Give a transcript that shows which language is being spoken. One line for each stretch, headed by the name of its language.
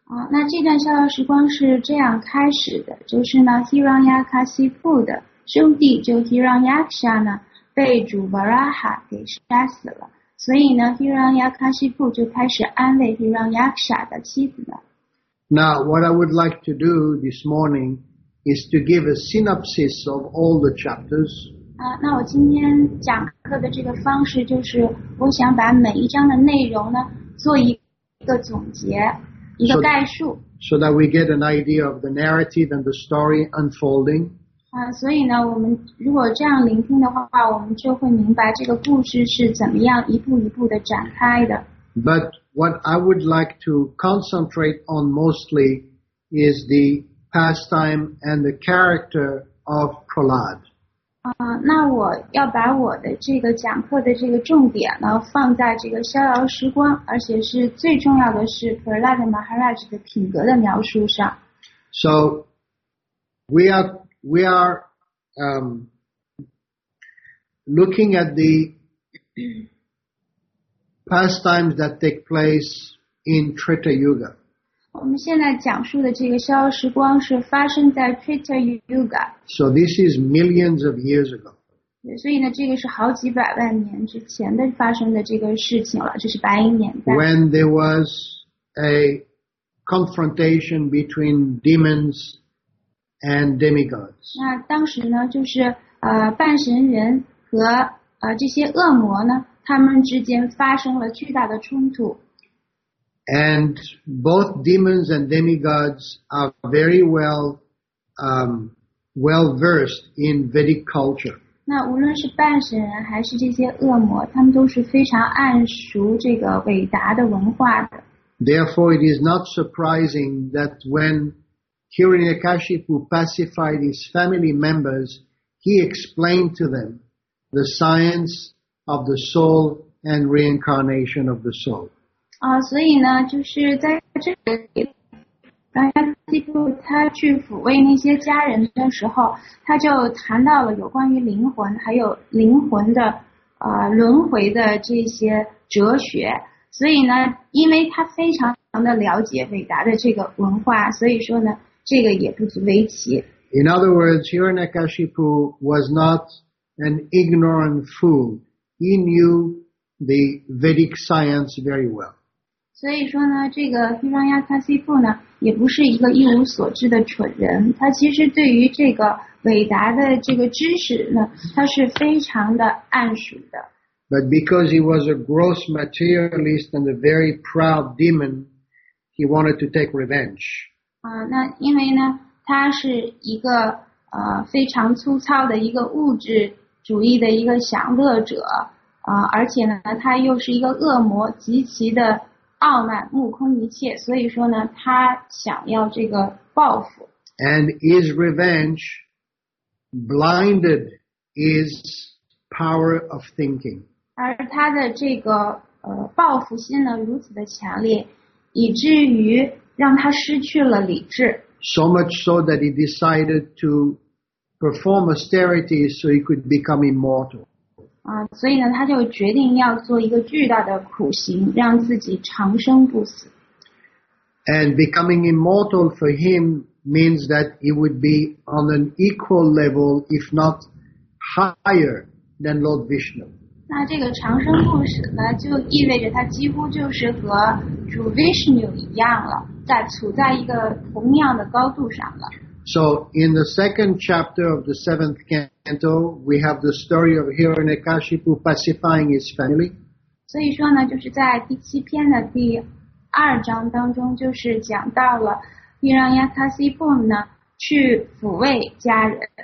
Chinese: 那这段逍遥时光是这样开始的，就是呢 ，Hiranyakashipu 的兄弟就 Hiranyaksha 呢被主 Varaha 给杀死了，所以呢 ，Hiranyakashipu 就开始安慰 Hiranyaksha 的妻子了。
English: Now, what I would like to do this morning is to give a synopsis of all the chapters.
Chinese: 那我今天讲课的这个方式就是，我想把每一章的内容呢做一个总结。
English: So that we get an idea of the narrative and the story unfolding.
Chinese: 所以呢，我们如果这样聆听的话，我们就会明白这个故事是怎么样一步一步的展开的。
English: But what I would like to concentrate on mostly is the pastime and the character of Prahlad.
Chinese: 那我要把我的这个讲课的这个重点呢放在这个逍遥时光，而且是最重要的是 Prahlad Maharaj 的品格的描述上。
English: So we are looking at the pastimes that take place in Treta Yuga.
Chinese: 我们现在讲述的这个逍遥时光是发生在 Treta Yuga.
English: So this is millions of years ago.
Chinese: 所以呢，这个是好几百万年之前的发生的这个事情了，这是白银年代。
English: When there was a confrontation between demons and demigods.
Chinese: 那当时呢，就是半神人和这些恶魔呢，他们之间发生了巨大的冲突。
English: And both demons and demigods are very well, well versed in Vedic culture.
Chinese: 那无论是半神人还是这些恶魔，他们都是非常谙熟这个伟达的文化的。
English: Therefore, it is not surprising that when Hiranyakashipu pacified his family members, he explained to them the science of the soul and reincarnation of the soul.
Chinese: 所以呢，就是在这里，当他记录他去抚慰那些家人的时候，他就谈到了有关于灵魂，还有灵魂的轮回的这些哲学。所以呢，因为他非常的了解伟达的这个文化，所以说呢，这个也不足为奇。
English: In other words, Hiranyakashipu was not an ignorant fool. He knew the Vedic science very well.
Chinese: 所以说呢，这个 Hiranyakashipu 呢，也不是一个一无所知的蠢人。他其实对于这个伟达的这个知识呢，他是非常的谙熟的。
English: But because he was a gross materialist and a very proud demon, he wanted to take revenge.
Chinese: 那因为呢，他是一个非常粗糙的一个物质主义的一个享乐者，而且呢，他又是一个恶魔，极其的傲慢，目空一切，所以说呢，他想要这个报复。
English: And his revenge blinded his power of thinking.
Chinese: 而他的这个报复心呢如此的强烈，以至于让他失去了理智。
English: So much so that he decided to perform austerities so he could become immortal.
Chinese: 所以呢，他就决定要做一个巨大的苦行，让自己长生不死。
English: And becoming immortal for him means that he would be on an equal level, if not higher, than Lord Vishnu.
Chinese: 那这个长生不死呢，就意味着他几乎就是和主 Vishnu 一样了，在处在一个同样的高度上了。
English: So in the second chapter of the seventh canto, we have the story of Hiranyakashipu pacifying his family.
Chinese: 所以说呢，就是在第七篇的第二章当中，就是讲到了 Hiranyakashipu 呢去抚慰家人。